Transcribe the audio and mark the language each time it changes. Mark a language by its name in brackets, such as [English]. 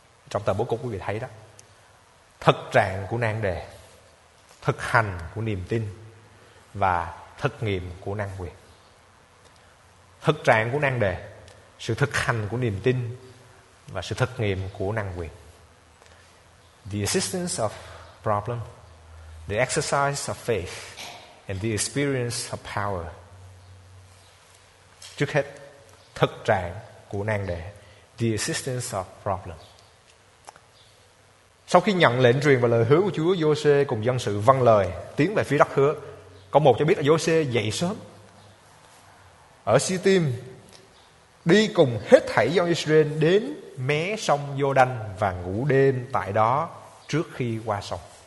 [Vietnamese] Trong tờ bố cục quý vị thấy đó: thực trạng của nan đề, thực hành của niềm tin và thực nghiệm của năng quyền. Thực trạng của nan đề, sự thực hành của niềm tin và sự thực nghiệm của năng quyền. [English] The assistance of problem, the exercise of faith and the experience of power. [Vietnamese] Trước hết, thực trạng của nan đề, [English] the assistance of problem. [Vietnamese] Sau khi nhận lệnh truyền và lời hứa của Chúa, Giô-sê cùng dân sự vâng lời tiến về phía đất hứa. Câu 1 cho biết là Giô-sê dậy sớm ở Si-tim, đi cùng hết thảy dân Israel đến mé sông Giô-đanh và ngủ đêm tại đó trước khi qua sông.